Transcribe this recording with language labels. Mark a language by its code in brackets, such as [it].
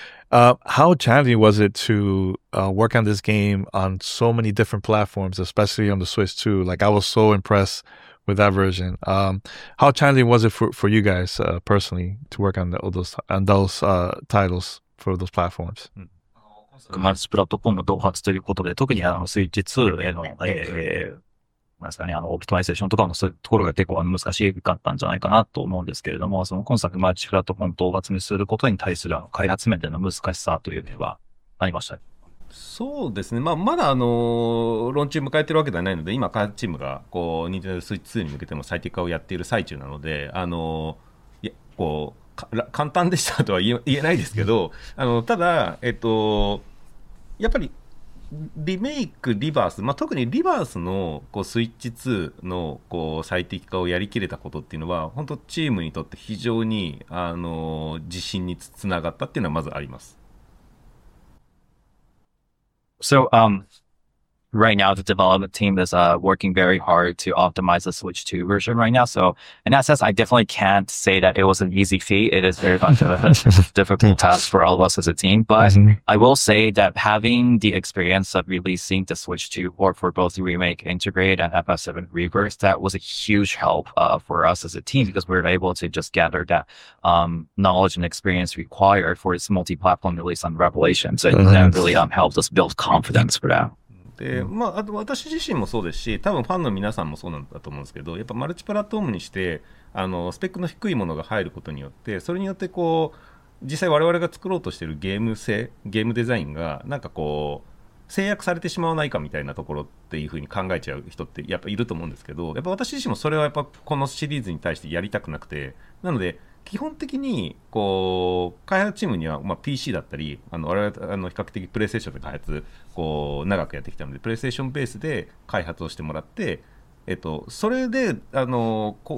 [en] How challenging was it to work on this game on so many different platforms, especially on the Switch 2? Like, I was so impressed with that version. How challenging was it for you guys personally to work on those titles for those platforms? [ja] まあ、スプラットフォーム同発ということで、特にあのスイッチ2への、なんですかね、あのオプティマイゼーションとかのそういうところが結構難しかったんじゃないかなと思うんですけれども、その今作マルチプラットフォーム同発にすることに対するあの開発面での難しさという点はありましたね。そうですね、まあ、まだロンチ迎えてるわけではないので、今開発チームがこう Nintendo Switch 2に向けても最適化をやっている最中なので、こう簡単でしたとは言えないですけど、ただ、やっぱりリメイク、リバース、まあ、特にリバースのこうスイッチ2のこう最適化をやりきれたことっていうのは、本当、チームにとって非常に自信につながったっていうのはまずあります。 [en] So, right now, the development team is working very hard to optimize the Switch 2 version right now. So in that sense, I definitely can't say that it was an easy feat. It is very much a difficult task for all of us as a team. But I will say that having the experience of releasing the Switch 2 port for both Remake Integrate and FF7 Rebirth, that was a huge help for us as a team, because we were able to just gather that knowledge and experience required for its multi-platform release on Revelation. So that really helped us build confidence for that. [ja] でまあ、あと私自身もそうですし、多分ファンの皆さんもそうなんだと思うんですけど、やっぱマルチプラットフォームにしてスペックの低いものが入ることによって、それによってこう実際我々が作ろうとしているゲーム性、ゲームデザインがなんかこう制約されてしまわないかみたいなところっていう風に考えちゃう人ってやっぱいると思うんですけど、やっぱ私自身もそれはやっぱこのシリーズに対してやりたくなくて、なので基本的にこう開発チームには、まあ、PC だったり我々比較的プレイステーションで開発こう長くやってきたので、プレイステーションベースで開発をしてもらって、それでこ